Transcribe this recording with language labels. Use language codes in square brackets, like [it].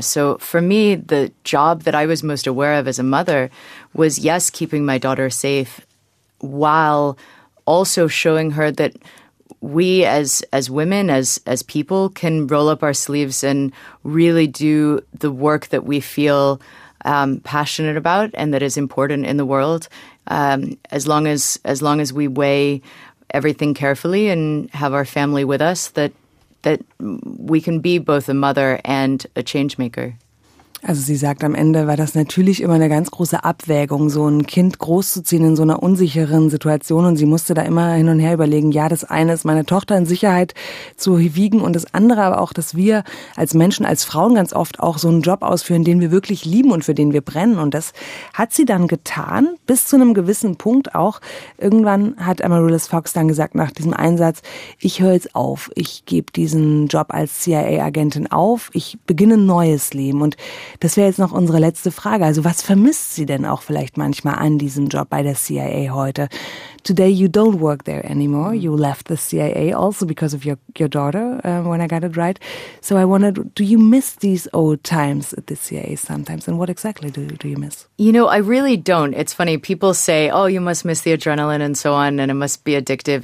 [en] So for me, the job that I was most aware of as a mother was, yes, keeping my daughter safe, while also showing her that we as women, as people, can roll up our sleeves and really do the work that we feel passionate about and that is important in the world, as long as we weigh everything carefully and have our family with us, that we can be both a mother and a change maker. [de] Also sie sagt, am Ende war das natürlich immer eine ganz große Abwägung, so ein Kind großzuziehen in so einer unsicheren Situation. Und sie musste da immer hin und her überlegen, ja, das eine ist, meine Tochter in Sicherheit zu wiegen. Und das andere aber auch, dass wir als Menschen, als Frauen ganz oft auch so einen Job ausführen, den wir wirklich lieben und für den wir brennen. Und das hat sie dann getan, bis zu einem gewissen Punkt auch. Irgendwann hat Amaryllis Fox dann gesagt nach diesem Einsatz, ich höre jetzt auf, ich gebe diesen Job als CIA-Agentin auf, ich beginne ein neues Leben. Und das wäre jetzt noch unsere letzte Frage. Also, was vermisst sie denn auch vielleicht manchmal an diesem Job bei der CIA heute? [en] Today you don't work there anymore. You left the CIA also because of your daughter, when I got it right. So I wondered, do you miss these old times at the CIA sometimes? And what exactly do you miss? You know, I really don't. It's funny. People say, oh, you must miss the adrenaline and so on, and it must be addictive.